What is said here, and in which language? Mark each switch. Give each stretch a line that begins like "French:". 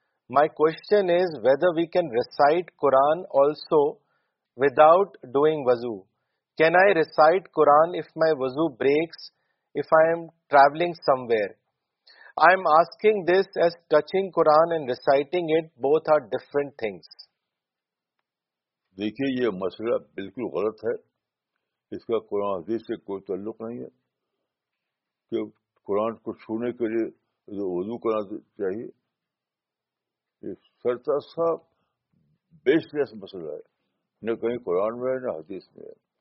English: My question is whether we can recite Quran also without doing وضو. Can I recite Quran if my وضو breaks if I am travelling somewhere. I am asking this as touching Quran and reciting it both are different things.
Urdu: دیکھیے یہ مسئلہ بالکل غلط ہے، اس کا قرآن حدیث سے کوئی تعلق نہیں ہے کہ قرآن کو چھونے کے لیے وضو کرنا چاہیے. یہ سرتاسر بیس لیس مسئلہ ہے، نہ کہیں قرآن میں ہے نہ حدیث میں ہے.